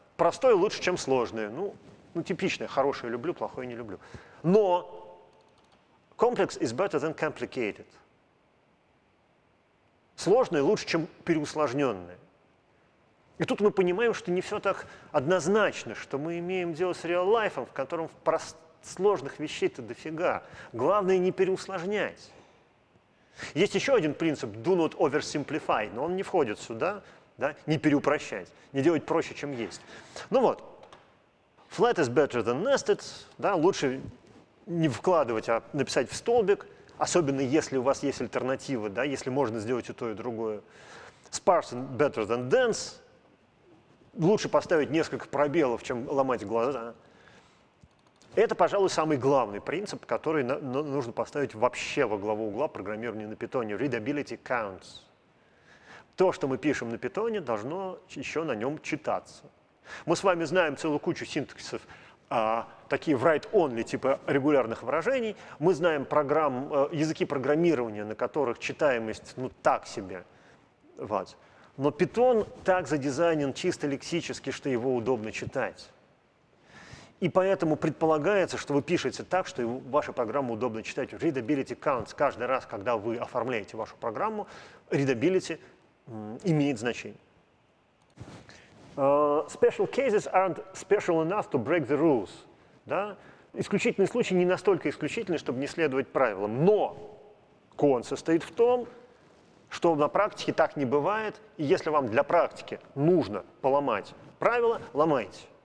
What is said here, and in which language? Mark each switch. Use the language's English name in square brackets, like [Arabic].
[Russian] Простое лучше, чем сложное. Ну, типичное. Хорошее люблю, плохое не люблю. [English] Но complex is better than complicated. [Russian] Сложное лучше, чем переусложненное. И тут мы понимаем, что не все так однозначно, что мы имеем дело с реал-лайфом, в котором сложных вещей-то дофига. Главное не переусложнять. Есть еще один принцип – [English] do not oversimplify, [Russian] но он не входит сюда, да? Не переупрощать, не делать проще, чем есть. [English] Ну вот, flat is better than nested, да? [Russian] Лучше не вкладывать, а написать в столбик. Особенно если у вас есть альтернатива, да, если можно сделать и то, и другое. [English] Sparse better than dense. [Russian] Лучше поставить несколько пробелов, чем ломать глаза. Это, пожалуй, самый главный принцип, который нужно поставить вообще во главу угла программирования на питоне. [English] Readability counts. [Russian] То, что мы пишем на питоне, должно еще на нем читаться. Мы с вами знаем целую кучу синтаксисов такие write-only типа регулярных выражений. Мы знаем языки программирования, на которых читаемость ну так себе. Вот. Но Python так задизайнен чисто лексически, что его удобно читать. И поэтому предполагается, что вы пишете так, что ваша программа удобно читать. [English] Readability counts [Russian] каждый раз, когда вы оформляете вашу программу, readability имеет значение. [English] Special cases aren't special enough to break the rules. [Russian] Да? Исключительный случай не настолько исключительный, чтобы не следовать правилам. Но кон состоит в том, что на практике так не бывает, и если вам для практики нужно поломать правила, ломайте.